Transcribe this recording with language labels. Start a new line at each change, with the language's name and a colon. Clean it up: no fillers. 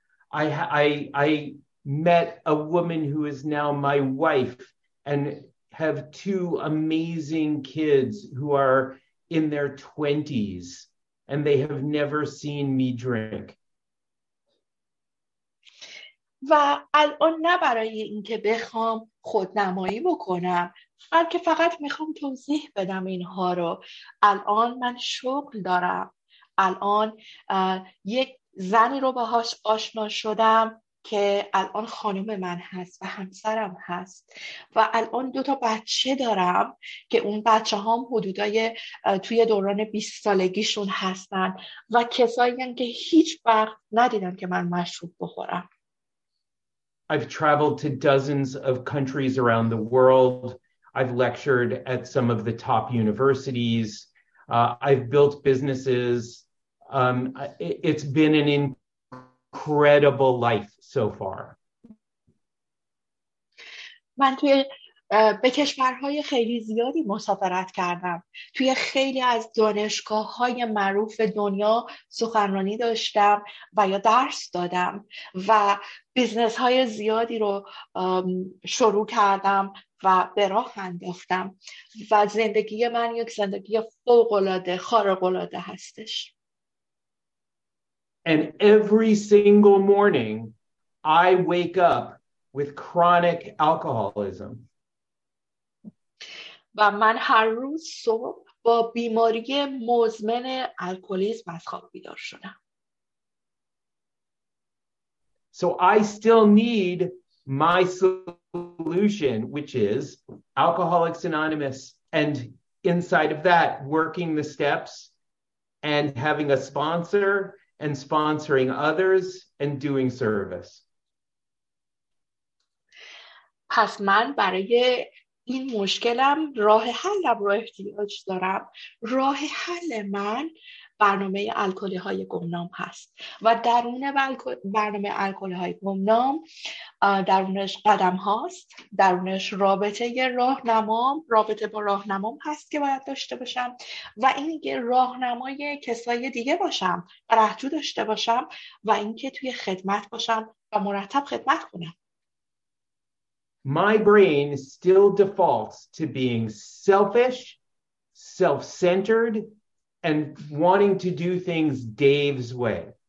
English: I met a woman who is now my wife and have two amazing kids who are in their 20s, and they have never seen me drink.
Persian: و الان نه برای اینکه بخوام خودنمایی بکنم، بلکه فقط میخوام توضیح بدم اینها رو. الان من شغل دارم، الان یک زنی رو باهاش آشنا شدم که الان خانم من هست و همسرم هست، و الان دوتا بچه دارم که اون بچه هم حدودای توی دوران 20 سالگیشون هستن و کسایی هم که هیچ وقت ندیدن که من مشروب بخورم.
English: I've traveled to dozens of countries around the world. I've lectured at some of the top universities. I've built businesses. It's been an incredible life so far.
Persian: من توی به کشورهای خیلی زیادی مسافرت کردم. توی خیلی از دانشگاه‌های معروف دنیا سخنرانی داشتم و یا درس دادم و بیزنس‌های زیادی رو شروع کردم و به راه انداختم و زندگی من یک زندگی فوق‌العاده خارق‌العاده هستش.
English: And every single morning I wake up with chronic alcoholism.
Persian: و من هر روز صبح با بیماری مزمن الکلیسم از خواب بیدار شدم.
English: So I still need my solution, which is Alcoholics Anonymous, and inside of that, working the steps and having a sponsor and sponsoring others and doing service.
Persian: پس من برای این مشکلم راه حلم رو احتیاج دارم. راه حل من برنامه الکلی های گمنام هست و درون برنامه الکلی های گمنام درونش قدم هاست، درونش رابطه راه نمام، رابطه با راه نمام هست که باید داشته باشم و اینکه راه نمای کسای دیگه باشم، رهجو داشته باشم و اینکه توی خدمت باشم و مرتب خدمت کنم.
English: My brain still defaults to being selfish, self-centered, and wanting to do things Dave's way.